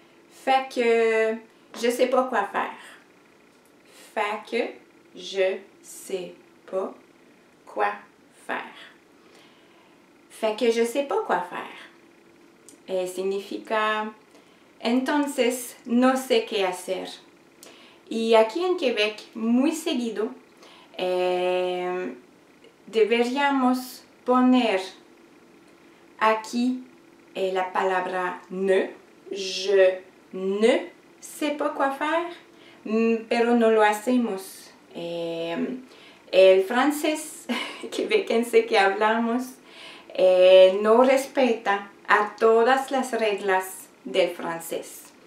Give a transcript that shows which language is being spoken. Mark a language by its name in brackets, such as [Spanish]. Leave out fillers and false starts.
[French] Fait que je sais pas quoi faire. Fait que je sais pas quoi faire. Fait que je sais pas quoi faire. [Spanish] Et significa entonces no sé qué hacer. Y aquí en Quebec, muy seguido, deberíamos poner aquí la palabra ne. [French] Je ne sais pas quoi faire, [Spanish] pero no lo hacemos. El francés quebequense que hablamos no respeta a todas las reglas del francés.